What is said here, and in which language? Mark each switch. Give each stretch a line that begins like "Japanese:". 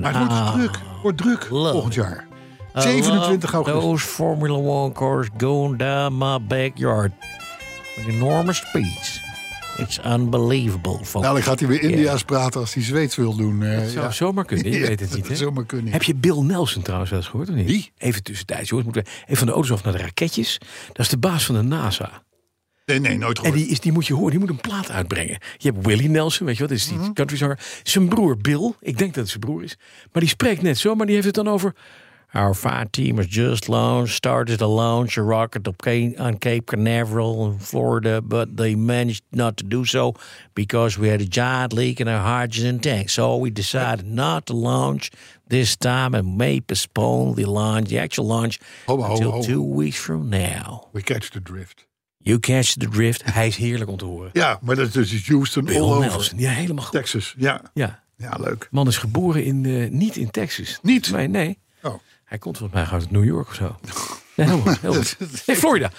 Dutch: Maar het wordt druk volgend jaar. 27 augustus.
English: Those Formula One cars going down my backyard. With enormous speeds. It's unbelievable. Folks.
Dutch: Nou, dan gaat hij weer India's praten als hij Zweeds wil doen. Dat zou zomaar kunnen. Je weet het niet. Dat zou zomaar kunnen. Heb je Bill Nelson trouwens wel eens gehoord of niet? Wie? Even tussentijds. Jongens, moeten we even van de auto's af naar de raketjes. Dat is de baas van de NASA. Nee, nooit gehoord. En die moet je horen. Die moet een plaat uitbrengen. Je hebt Willie Nelson, weet je wat? Dat is die country zanger. Zijn broer Bill. Ik denk dat het zijn broer is. Maar die spreekt net zo. Maar die heeft het dan over...
English: Our fire team has just started to launch a rocket on Cape Canaveral in Florida, but they managed not to do so because we had a giant leak in our hydrogen tank. So we decided not to launch this time and may postpone the actual launch until 2 weeks from now. We catch the drift. You catch the drift.
Dutch: Hij is heerlijk om te horen. Ja, maar dat is Houston Bill all Nelson. Over. Ja, helemaal goed. Texas, ja. Ja. Ja, leuk. Man is geboren niet in Texas. Niet? Nee. Hij komt volgens mij uit New York of zo. Nee, helemaal. Florida.